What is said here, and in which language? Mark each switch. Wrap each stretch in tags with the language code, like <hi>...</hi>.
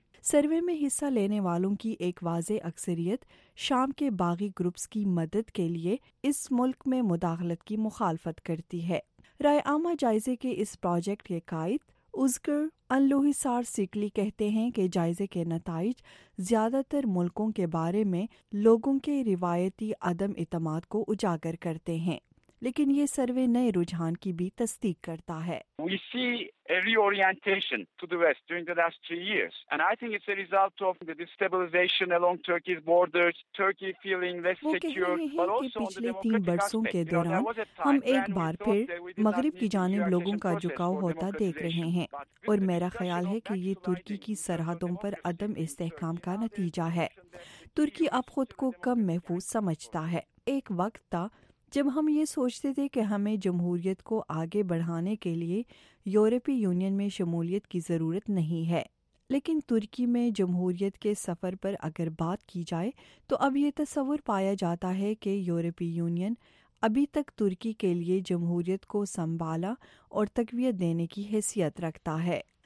<ur>Survey میں حصہ لینے والوں کی ایک واضح اکثریت شام کے باغی گروپس کی مدد کے لیے اس ملک میں مداخلت کی مخالفت کرتی ہے۔ رائے عامہ جائزے کے اس پروجیکٹ کے قائد ازگر انلوہسار سیکلی کہتے ہیں کہ جائزے کے نتائج زیادہ تر ملکوں کے بارے میں لوگوں کے روایتی عدم اعتماد کو اجاگر کرتے ہیں، لیکن یہ سروے نئے رجحان کی بھی تصدیق کرتا ہے۔</ur> <en>We see a reorientation to the West during the last 3 years, and I think it's a result of the destabilization along Turkey's borders, Turkey feeling less secure, but also on the democratic aspect.</en> <ur>پچھلے 3 برسوں کے دوران ہم ایک بار پھر مغرب کی جانب لوگوں کا جھکاؤ ہوتا دیکھ رہے ہیں، اور میرا خیال ہے کہ یہ ترکی کی سرحدوں پر عدم استحکام کا نتیجہ ہے۔ ترکی اب خود کو کم محفوظ سمجھتا ہے۔ ایک وقت تھا جب ہم یہ سوچتے تھے کہ ہمیں جمہوریت کو آگے بڑھانے کے لیے یورپی یونین میں شمولیت کی ضرورت نہیں ہے، لیکن ترکی میں جمہوریت کے سفر پر اگر بات کی جائے تو اب یہ تصور پایا جاتا ہے کہ یورپی یونین ابھی تک ترکی کے لیے جمہوریت کو سنبھالا اور تقویت دینے کی حیثیت رکھتا ہے۔</ur>